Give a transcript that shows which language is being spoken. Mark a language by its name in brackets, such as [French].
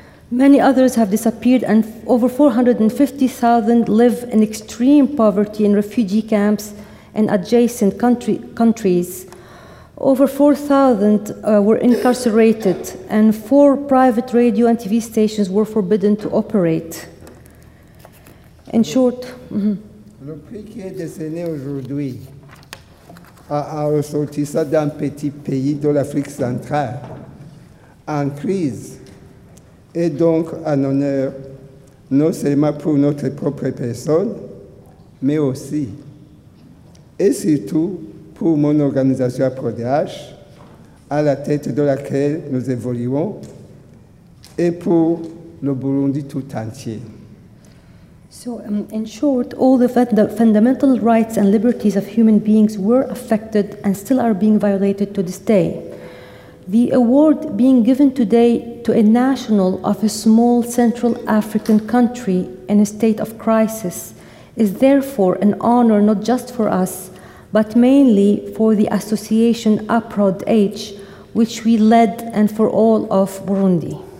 [English] Many others have disappeared, and over 450,000 live in extreme poverty in refugee camps and adjacent countries. Over 4,000 were incarcerated, and 4 private radio and TV stations were forbidden to operate. In short, [French] Le prix qui est décerné aujourd'hui a ressorti ça d'un petit pays de l'Afrique centrale en crise est donc un honneur non seulement pour notre propre personne, mais aussi et surtout pour mon organisation APRODH, à la tête de laquelle nous évoluons, et pour le Burundi tout entier. [English] So, in short, all the fundamental rights and liberties of human beings were affected and still are being violated to this day. The award being given today to a national of a small Central African country in a state of crisis is therefore an honor not just for us, but mainly for the association APRODH, which we led, and for all of Burundi.